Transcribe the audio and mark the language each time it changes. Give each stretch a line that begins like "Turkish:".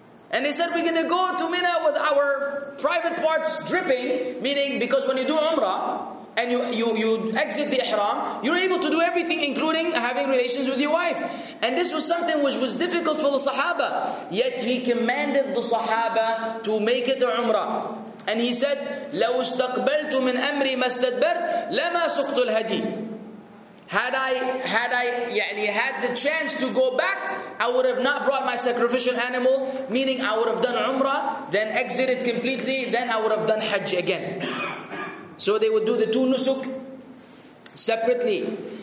English: And they said, we're going to go to Mina with our private parts dripping, meaning because when you do Umrah and you exit the Ihram, you're able to do everything, including having relations with your wife. And this was something which was difficult for the Sahaba. Yet he commanded the Sahaba to make it Umrah. And he said,
Arabic: لَوْ اسْتَقْبَلْتُ مِنْ أَمْرِي مَسْتَدْبَرْتُ لَمَا سُقْتُ الْهَدِي.
English: Had I had the chance to go back, I would have not brought my sacrificial animal, meaning I would have done Umrah, then exited completely, then I would have done Hajj again. So they would do the two Nusuk separately.